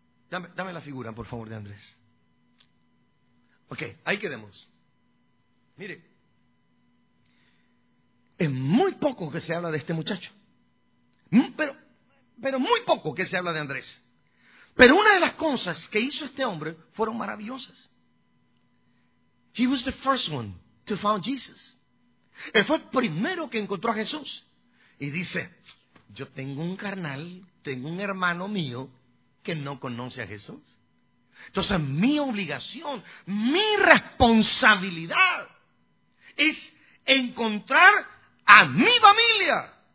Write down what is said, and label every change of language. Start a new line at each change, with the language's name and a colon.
Spanish: Dame la figura, por favor, de Andrés. Ok, ahí quedemos. Mire, es muy poco que se habla de este muchacho. Pero muy poco que se habla de Andrés. Pero una de las cosas que hizo este hombre fueron maravillosas.
English: He was the first one to find Jesus.
Spanish: Él fue el primero que encontró a Jesús. Y dice, yo tengo un carnal, tengo un hermano mío que no conoce a Jesús. Entonces mi obligación, mi responsabilidad es encontrar a mi familia.